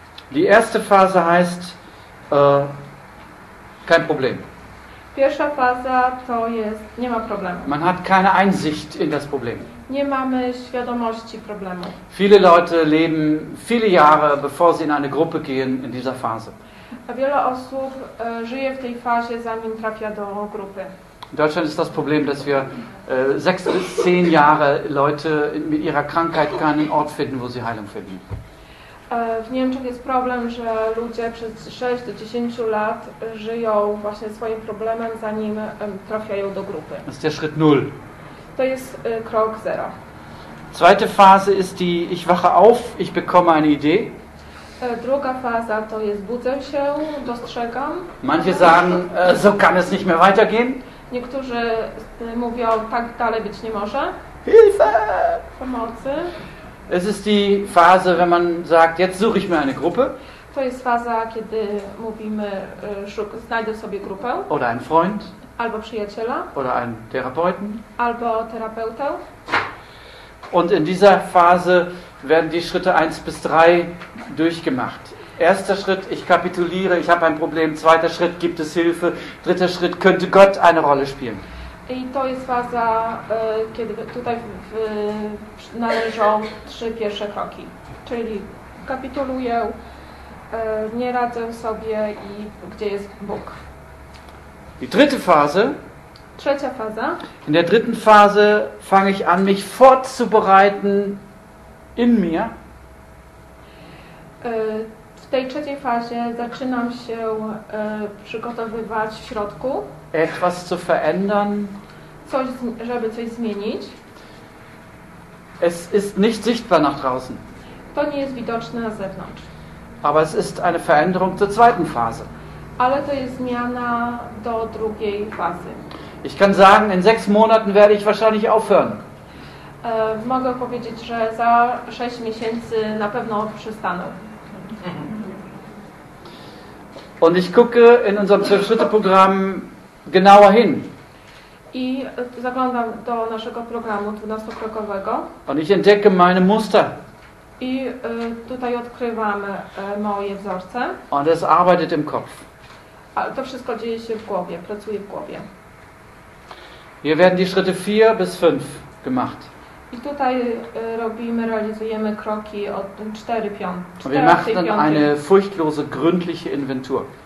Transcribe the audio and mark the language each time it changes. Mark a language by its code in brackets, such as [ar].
[de] Die erste Phase heißt kein Problem. [pl] Pierwsza faza to jest nie ma problemu. [de] Man hat keine Einsicht in das Problem. [pl] Nie mamy świadomości problemu. [de] Viele Leute leben viele Jahre, bevor sie in eine Gruppe gehen, in dieser Phase. [pl] A wiele osób żyje w tej fazie, zanim trafia do grupy. [de] In Deutschland ist das Problem, dass wir 6 bis 10 Jahre Leute mit ihrer Krankheit keinen Ort finden, wo sie Heilung finden. [pl] W Niemczech jest problem, że ludzie przez 6 do 10 lat żyją właśnie swoim problemem, zanim trafiają do grupy. [de] Das ist der Schritt 0. [pl] To jest krok 0. [de] Zweite Phase ist die, ich wache auf, ich bekomme eine Idee. [pl] Druga faza to jest, budzę się, dostrzegam. [de] Manche sagen, so kann es nicht mehr weitergehen. [pl] Niektórzy mówią, tak dalej być nie może. [de] Hilfe! [pl] Pomocy. [de] Es ist die Phase, wenn man sagt, jetzt suche ich mir eine Gruppe. [pl] To jest faza, kiedy mówimy, znajdę sobie grupę. [de] Oder einen Freund. [pl] Albo przyjaciela. [de] Oder einen Therapeuten. [pl] Albo terapeutę. [de] Und in dieser Phase werden die Schritte 1 bis 3 durchgemacht. Erster Schritt, ich kapituliere, ich habe ein Problem. Zweiter Schritt, gibt es Hilfe. Dritter Schritt, könnte Gott eine Rolle spielen. [pl] I to jest faza, kiedy tutaj należą 3 pierwsze kroki. Czyli kapituluję, nie radzę sobie i gdzie jest Bóg. [de] Die dritte Phase. [pl] Trzecia faza. [de] In der dritten Phase fange ich an, mich vorzubereiten in mir. [pl] W tej trzeciej fazie zaczynam się przygotowywać w środku. [de] Etwas zu verändern. [pl] Coś, żeby coś zmienić. [de] Es ist nicht sichtbar nach draußen. [pl] To nie jest widoczne na zewnątrz. [de] Aber es ist eine Veränderung zur zweiten Phase. [pl] Ale to jest zmiana do drugiej fazy. [de] Ich kann sagen, in 6 Monaten werde ich wahrscheinlich aufhören. [pl] Mogę powiedzieć, że za 6 miesięcy na pewno przestanę. [de] Und ich gucke in unserem 12-Schritte-Programm genauer hin. [pl] I zaglądam do naszego programu 12-krokowego. [de] Und ich entdecke meine Muster. [pl] I tutaj odkrywam moje wzorce. [de] Und es arbeitet im Kopf. [pl] A to wszystko dzieje się w głowie, pracuje w głowie. [de] Hier werden die Schritte 4 bis 5 gemacht. [pl] I tutaj robimy, realizujemy kroki od 4-5. [de] Wir machen eine furchtlose, gründliche Inventur.